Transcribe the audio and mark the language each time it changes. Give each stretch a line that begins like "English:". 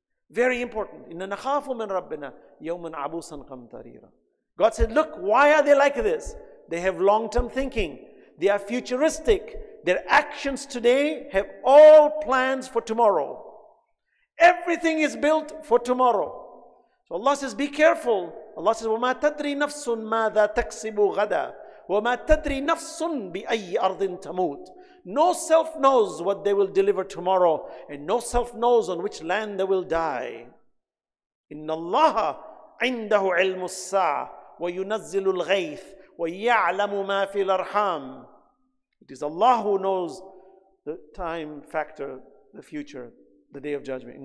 English: Very important.
Arabic: إِنَّا نَخَافُ مِنْ رَبِّنَا يَوْمًا عَبُوسًا قَمْتَرِيرًا.
English: God said, look, why are they like this? They have long-term thinking. They are futuristic. Their actions today have all plans for tomorrow. Everything is built for tomorrow. So Allah says, be careful. Allah says,
Arabic: وَمَا تَدْرِي نَفْسٌ مَاذَا تَكْسِبُ غَدَى وَمَا تَدْرِي نَفْسٌ بِأَيِّ أَرْضٍ تَمُوتٌ.
English: No self knows what they will deliver tomorrow, and no self knows on which land they will die.
Arabic: إِنَّ اللَّهَ عِنْدَهُ عِلْمُ السَّاعَةِ وَيُنَزِّلُ الْغَيْثِ وَيَعْلَمُ مَا فِي الْأَرْحَامِ.
English: It is Allah who knows the time factor, the future, the day of judgment.